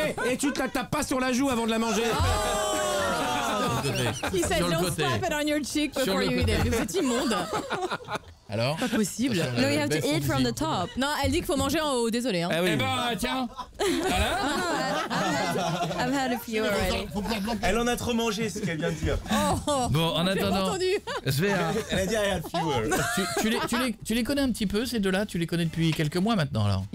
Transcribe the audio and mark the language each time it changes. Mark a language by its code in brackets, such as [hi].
[fr] Et tu ne la tapes pas sur la joue avant de la manger. [en] He said, don't slap it on your cheek before you eat it. [fr] C'est immonde. Alors? Pas possible. [en] No, you have to eat from the top. [fr] Non, elle dit qu'il faut manger en haut, désolé. Eh ben, tiens. Voilà. [en] I've had a few already. [fr] Elle en a trop mangé, ce qu'elle vient de dire. Bon, en attendant. Elle a dit, [en] I had fewer. [fr] Tu les connais un petit peu, ces deux-là? Tu les connais depuis quelques mois maintenant, alors?